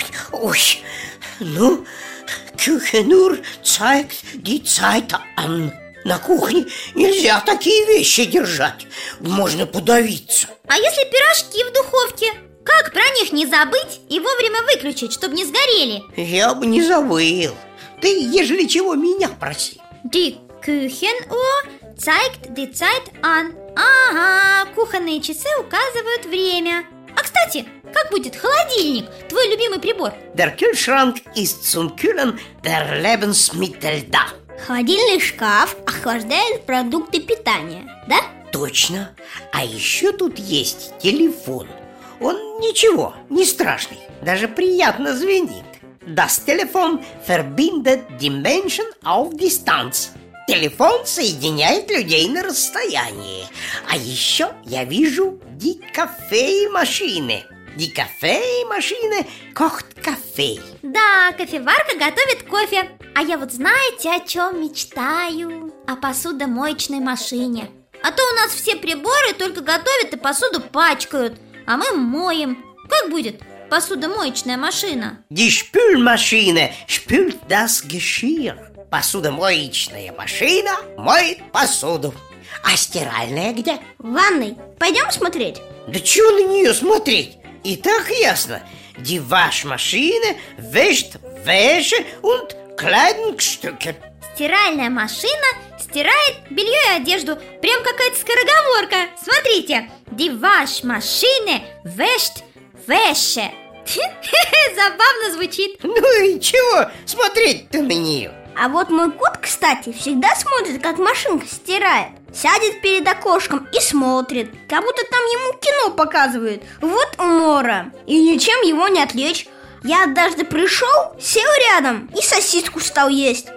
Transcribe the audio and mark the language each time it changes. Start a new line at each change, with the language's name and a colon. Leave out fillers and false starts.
German: Ой, ну, Küchenuhr zeigt die Zeit an.
Russian: На кухне нельзя такие вещи держать. Можно подавиться. А если пирожки в духовке? Как про них не забыть и вовремя выключить, чтобы не сгорели? Я бы не забыл. Ты, ежели чего, меня проси.
German: Die Küchen zeigt die Zeit an.
Russian: Ага, кухонные часы указывают время. А кстати, как будет холодильник, твой любимый прибор?
German: Der Kühlschrank ist zum Kühlen der Lebensmittel da.
Russian: Холодильный шкаф охлаждает продукты питания, да? Точно. А еще тут есть телефон. Он ничего, не страшный, даже приятно звенит.
German: Das Telefon verbindet die Menschen auf Distanz.
Russian: Телефон соединяет людей на расстоянии. А еще я вижу die Kaffeemaschine.
German: Die Kaffeemaschine kocht Kaffee.
Russian: Да, кофеварка готовит кофе. А я вот знаете, о чем мечтаю? О посудомоечной машине. А то у нас все приборы только готовят и посуду пачкают. А мы моем. Как будет посудомоечная машина?
German: Die Spülmaschine spült das Geschirr.
Russian: Посудомоечная машина моет посуду. А стиральная где? В ванной. Пойдем смотреть? Да чего на нее смотреть? И так ясно.
German: Die Waschmaschine wäscht Wäsche und Kleidungsstücke.
Russian: Стиральная машина стирает белье и одежду. Прям какая-то скороговорка. Смотрите.
German: Die Waschmaschine wäscht Wäsche.
Russian: Забавно звучит. Ну и чего смотреть-то на нее? А вот мой кот, кстати, всегда смотрит, как машинка стирает. Сядет перед окошком и смотрит, как будто там ему кино показывают. Вот умора. И ничем его не отвлечь. Я однажды пришел, сел рядом и сосиску стал есть.